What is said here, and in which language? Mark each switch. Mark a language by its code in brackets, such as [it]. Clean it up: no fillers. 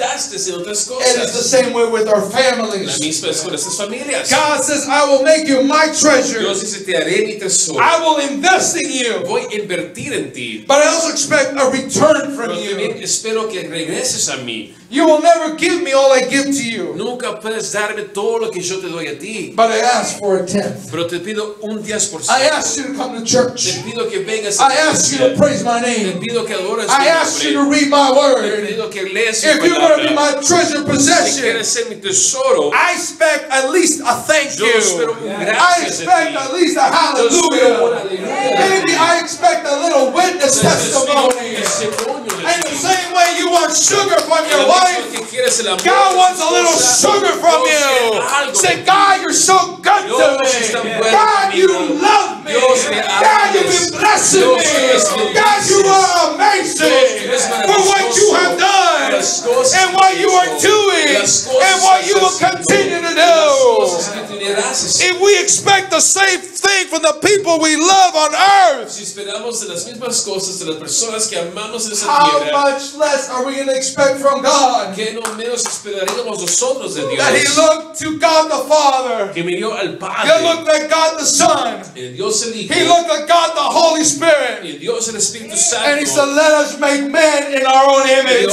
[en] And it's the same way with our families. God says, I will make you my treasure. I will invest in you. But I also expect a return from you. You will never give me all I give to you. [es] Nunca puedes darme todo lo que yo te doy a ti. [en] But I ask for a tenth. [es] Pero te pido un 10%. [en] I ask you to come to church. [es] Te pido que vengas. [en] I ask you to praise my name. [es] Te pido que adores mi nombre. [en] I ask you to read my word. [es] Te pido que leas mi palabra. [en] If you want to be my treasure possession, [es] si quieres ser mi tesoro, [en] I expect at least a thank you. [es] Yo espero un gracias. [en] I expect at least a hallelujah. Maybe I expect a little witness testimony. In the same way you want sugar from your wife, God wants a little sugar from you. Say, God, you're so good to me. God, you love me. God, you've been blessing me. God, you are amazing for what you have done and what you are doing and what you will continue to do. If we expect the same thing from the people we love on earth. [es] Si esperamos de las mismas cosas de las personas que amamos en esta tierra. [en] How much less are we going to expect from God? [es] ¿Qué no menos esperaríamos nosotros de Dios? [en] That He looked to God the Father. [es] Que miró al Padre. [en] He looked at God the Son. [es] El Dios el Hijo. [en] He looked at God the Holy Spirit. [es] Y el Dios el Espíritu Santo. [en] And He said, "Let us make man in our own image."